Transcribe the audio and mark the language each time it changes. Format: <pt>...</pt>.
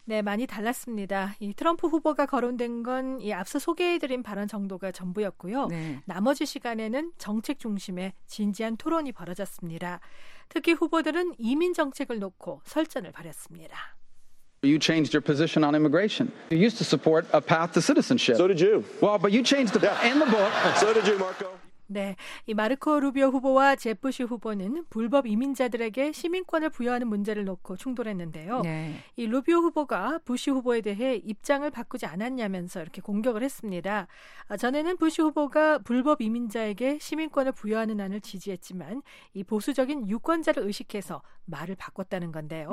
<ko>네, 많이 달랐습니다. 이 트럼프 후보가 거론된 건 이 앞서 소개해드린 발언 정도가 전부였고요. 네. 나머지 시간에는 정책 중심의 진지한 토론이 벌어졌습니다. 특히 후보들은 이민 정책을 놓고 설전을 벌였습니다.</ko> <en>You changed your position on immigration. You used to support a path to citizenship. So did you. Well, but you changed the in the book. So did you, Marco.</en> <ko>네, 이 마르코 루비오 후보와 제프시 후보는 불법 이민자들에게 시민권을 부여하는 문제를 놓고 충돌했는데요. 네. 이 루비오 후보가 부시 후보에 대해 입장을 바꾸지 않았냐면서 이렇게 공격을 했습니다. 전에는 부시 후보가 불법 이민자에게 시민권을 부여하는 안을 지지했지만 이 보수적인 유권자를 의식해서 말을 바꿨다는 건데요.</ko>